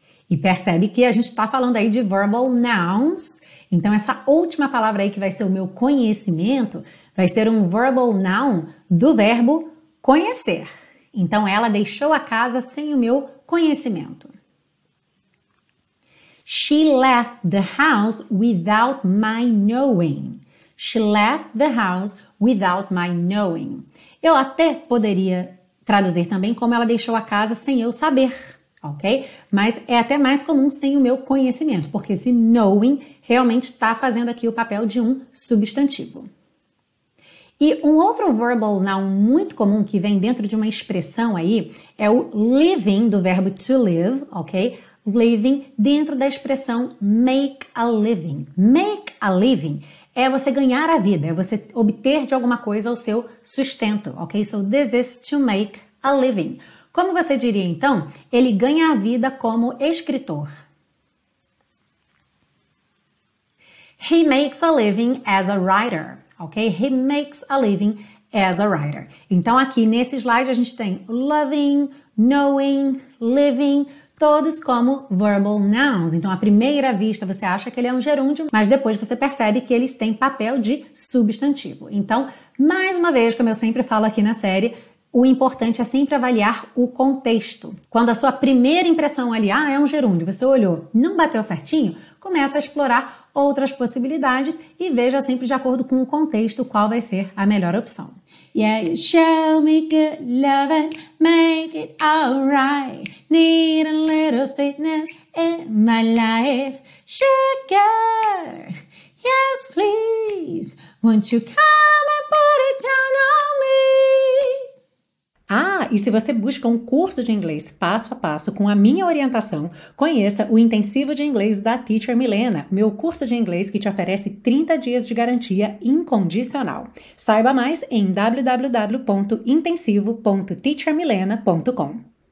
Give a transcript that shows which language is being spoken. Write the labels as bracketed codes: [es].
[pt] E percebe que a gente está falando aí de verbal nouns. Então, essa última palavra aí que vai ser o meu conhecimento vai ser um verbal noun do verbo conhecer. Então, ela deixou a casa sem o meu conhecimento. [en] She left the house without my knowing. She left the house without my knowing. [pt] Eu até poderia traduzir também como ela deixou a casa sem eu saber, ok? Mas é até mais comum sem o meu conhecimento, porque esse knowing realmente está fazendo aqui o papel de um substantivo. E um outro verbal noun muito comum que vem dentro de uma expressão aí é o living do verbo to live, ok? Living dentro da expressão make a living. Make a living é você ganhar a vida, é você obter de alguma coisa o seu sustento, ok? [en] So this is to make a living. [pt] Como você diria então? Ele ganha a vida como escritor. [en] He makes a living as a writer, ok? He makes a living as a writer. [pt] Então aqui nesse slide a gente tem loving, knowing, living. Todos como verbal nouns. Então, à primeira vista, você acha que ele é um gerúndio, mas depois você percebe que eles têm papel de substantivo. Então, mais uma vez, como eu sempre falo aqui na série, o importante é sempre avaliar o contexto. Quando a sua primeira impressão ali, ah, é um gerúndio, você olhou, não bateu certinho, começa a explorar outras possibilidades e veja sempre de acordo com o contexto qual vai ser a melhor opção. [en] Yeah, show me good loving, make it all right. Need a little sweetness in my life. Sugar, yes, please. Won't you come and put it down on me? [pt] Ah, e se você busca um curso de inglês passo a passo com a minha orientação, conheça o Intensivo de Inglês da Teacher Milena, meu curso de inglês que te oferece 30 dias de garantia incondicional. Saiba mais em www.intensivo.teachermilena.com.